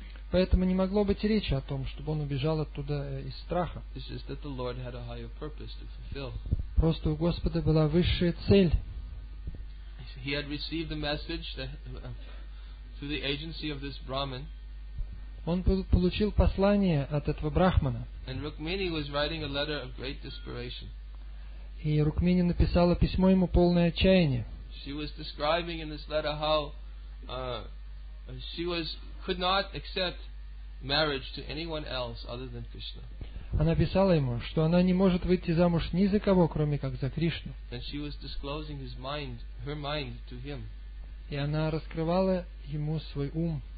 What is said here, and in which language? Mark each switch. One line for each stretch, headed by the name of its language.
Russian: Поэтому не могло быть речи о том, чтобы он убежал оттуда из страха.
English: It's just that the Lord had a higher purpose to fulfill.
Russian: Просто у Господа была высшая цель.
English: He had received the message that, through the agency of this Brahman.
Russian: Он получил послание от этого Брахмана.
English: And Rukmini was writing a letter of great desperation.
Russian: И Рукмини написала письмо ему полное отчаяние.
English: She was describing in this letter how she was could not accept marriage to anyone else other than Krishna.
Russian: Она писала ему, что она не может выйти замуж ни за кого, кроме как за Кришну.
English: And she was disclosing his mind, her mind to him.
Russian: И она раскрывала ему свой ум.